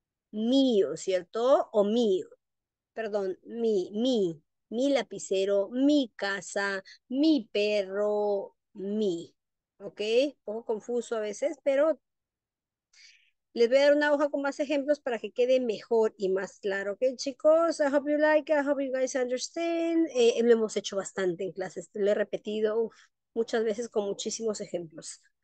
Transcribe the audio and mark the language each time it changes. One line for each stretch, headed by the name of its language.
Spanish: Mío, ¿cierto? O mío. Perdón, mi lapicero, mi casa, mi perro, mi. ¿Ok? Un poco confuso a veces, pero les voy a dar una hoja con más ejemplos para que quede mejor y más claro. Ok, chicos,
English: I hope you like it, I hope you guys understand.
Spanish: Lo hemos hecho bastante en clases, lo he repetido muchas veces con muchísimos ejemplos.